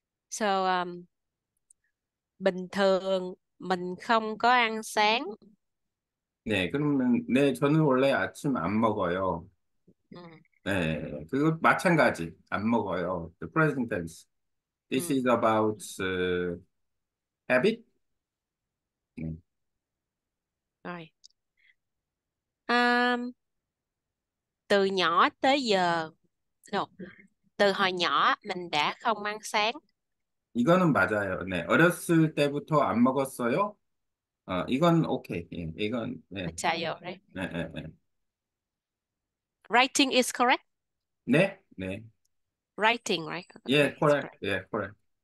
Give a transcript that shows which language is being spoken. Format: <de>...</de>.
<vi>So, bình thường mình không có ăn sáng.</vi> <ko>네, 그러면, 네, 저는 원래 아침 안 먹어요. 네, 그거 마찬가지. 안 먹어요. The present tense.</ko> <en>This is about habit. 네.</en> <vi>Rồi. Từ nhỏ tới giờ đâu. Từ hồi nhỏ mình đã không ăn sáng.</vi> <ko>이거는 맞아요. 네, 어렸을 때부터 안 먹었어요? 이건 오케이. 예, 이건 네. 맞아요, right? 네.</ko> <en>Writing is correct.</en> <ko>네.</ko> <en>Writing, right? Yeah, Okay, it's correct. correct. Yeah, correct.</en>